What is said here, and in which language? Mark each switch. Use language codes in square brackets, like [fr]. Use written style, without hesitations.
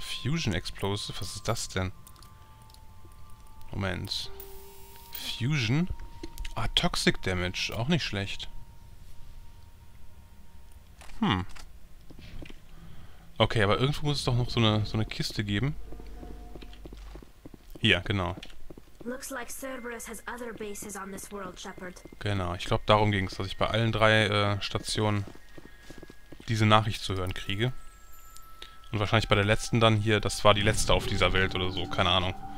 [de] Fusion Explosive, was ist das denn? Moment. Fusion? Ah, Toxic Damage, auch nicht schlecht. Hm. Okay, aber irgendwo muss es doch noch so eine Kiste geben. Hier, genau. [en] Looks like Cerberus has other bases on this world, Shepard. [de] Genau, ich glaube, darum ging es, dass ich bei allen drei Stationen diese Nachricht zu hören kriege. Und wahrscheinlich bei der letzten dann hier, das war die letzte auf dieser Welt oder so, keine Ahnung.